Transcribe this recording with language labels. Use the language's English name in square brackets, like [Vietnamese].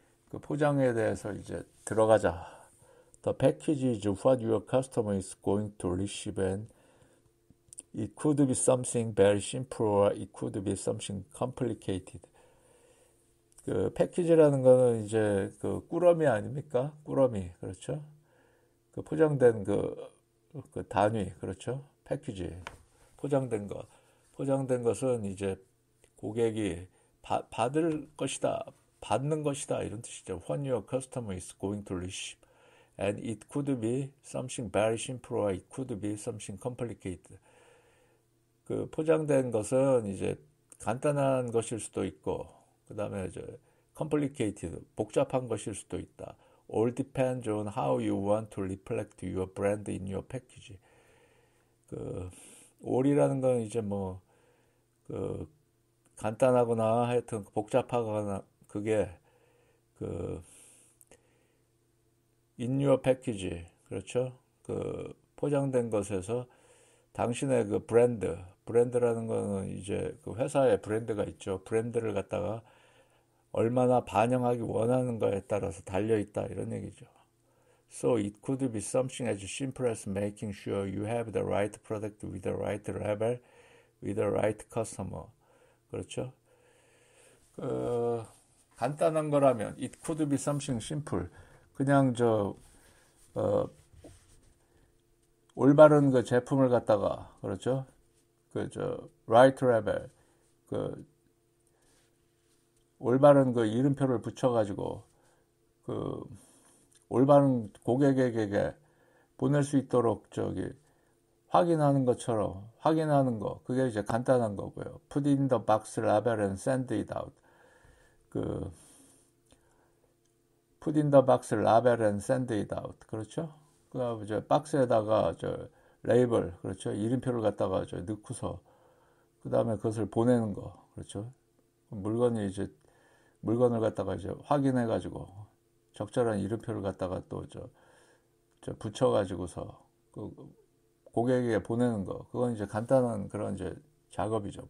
[Korean] 그 포장에 대해서 이제 들어가자. [English] The package is what your customer is going to receive and it could be something very simple or it could be something complicated. [Korean] 그 패키지라는 거는 이제 그 꾸러미 아닙니까? 꾸러미, 그렇죠? 그 포장된 그 단위, 그렇죠? 패키지, 포장된 것. 포장된 것은 이제 고객이 받을 것이다, 받는 것이다 이런 뜻이죠. [English] When your customer is going to receive. And it could be something very simple or it could be something complicated. [Korean] 그 포장된 것은 이제 간단한 것일 수도 있고 그 다음에 이제 complicated, 복잡한 것일 수도 있다. [English] All depends on how you want to reflect your brand in your package. [Korean] 그 all이라는 건 이제 뭐 그 간단하거나 하여튼 복잡하거나 그게 그 [English] in your package, [Korean] 그렇죠? 그 포장된 것에서 당신의 그 브랜드, 브랜드라는 거는 이제 그 회사의 브랜드가 있죠. 브랜드를 갖다가 얼마나 반영하기 원하는가에 따라서 달려 있다 이런 얘기죠. [English] So it could be something as simple as making sure you have the right product with the right label with the right customer. [Korean] 그렇죠? 그 간단한 거라면 [English] it could be something simple. [Korean] 그냥 저 올바른 그 제품을 갖다가 그렇죠? 그 저 [English] right label [Korean] 그 올바른 그 이름표를 붙여 가지고 그 올바른 고객에게 보낼 수 있도록 저기 확인하는 것처럼 확인하는 거 그게 이제 간단한 거고요. [English] Put in the box label and send it out. 그 Put in the box label and send it out. [Korean] 그렇죠? 그 다음에 이제 박스에다가 저 레이블, 그렇죠? 이름표를 갖다가 저 넣고서 그 다음에 그것을 보내는 거, 그렇죠? 물건이 이제 물건을 갖다가 이제 확인해가지고 적절한 이름표를 갖다가 또 저 붙여가지고서 그 고객에게 보내는 거, 그건 이제 간단한 그런 이제 작업이죠.